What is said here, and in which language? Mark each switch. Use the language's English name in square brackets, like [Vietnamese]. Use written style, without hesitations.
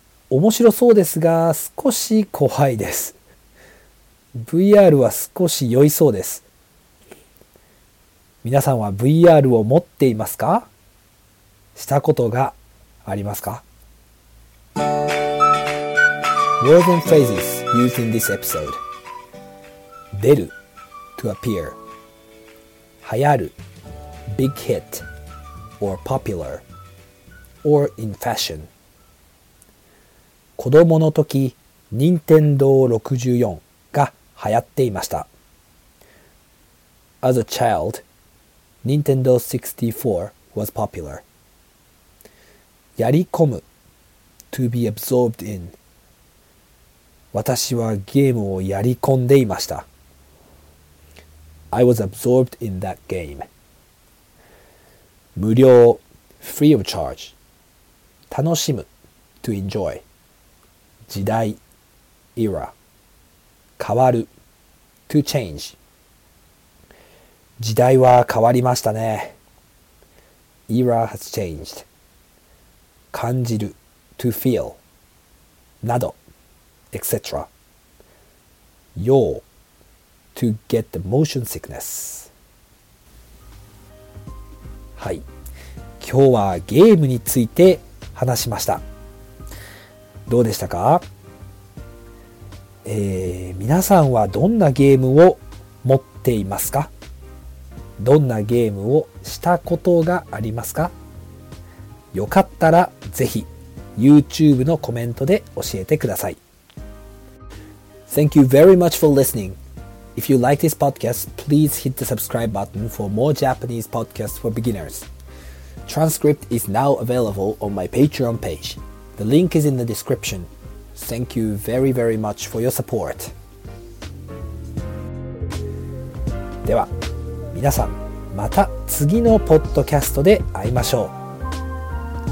[Japanese] 面白そうですが、少し怖いです。VR は少し酔いそうです。皆さんは VR を持っていますか？したことがありますか？ [English] Words and phrases used in this episode. 出る to appear. 流行る big hit or popular. or in fashion. [Japanese] 子供の時、任天堂64が流行っていました。 [English] As a child, Nintendo 64 was popular. やり込む、to be absorbed in. [Japanese] 私はゲームをやり込んでいました。 [English] I was absorbed in that game. 無料、free of charge. 楽しむ、to enjoy. 時代、era. 変わる、to change. [Japanese] 時代は変わりましたね。 [English] era has changed. 感じる、to feel. など、etc. 用、to get the motion sickness. [Japanese] はい。今日はゲームについて話しました。どうでしたか？皆さんはどんなゲームを持っていますか？どんなゲームをしたことがありますか？よかったらぜひ YouTube のコメントで教えてください。 [English] Thank you very much for listening. If you like this podcast, please hit the subscribe button for more Japanese podcasts for beginners. Transcript is now available on my Patreon page. The link is in the description. Thank you very, very much for your support. [Japanese] では、皆さん、また次のポッドキャストで会いましょう。